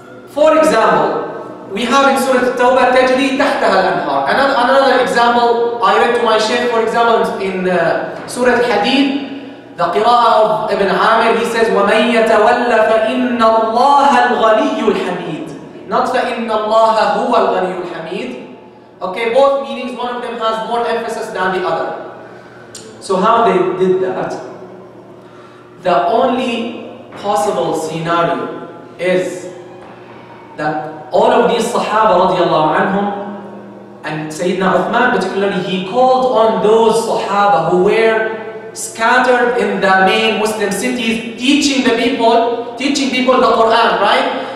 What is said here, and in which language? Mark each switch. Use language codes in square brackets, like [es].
[en] For example, we have in Surah Tawbah, [ar] تَجْرِي تَحْتَهَا الْأَنْهَارِ. [en] Another example, I read to my shaykh, for example, in Surah Hadid, the qira'ah of Ibn Amir, he says, [ar] وَمَنْ يَتَوَلَّ فَإِنَّ اللَّهَ الْغَنِيُّ الْحَمِيدِ. [en] Not [ar] فَإِنَّ اللَّهَ هُوَ الْغَنِيُّ الْحَمِيدِ. [en] Okay, both meanings, one of them has more emphasis than the other. So how they did that? The only possible scenario is that all of these Sahaba radiallahu anhum and Sayyidina Uthman particularly, he called on those Sahaba who were scattered in the main Muslim cities teaching people the Quran, right?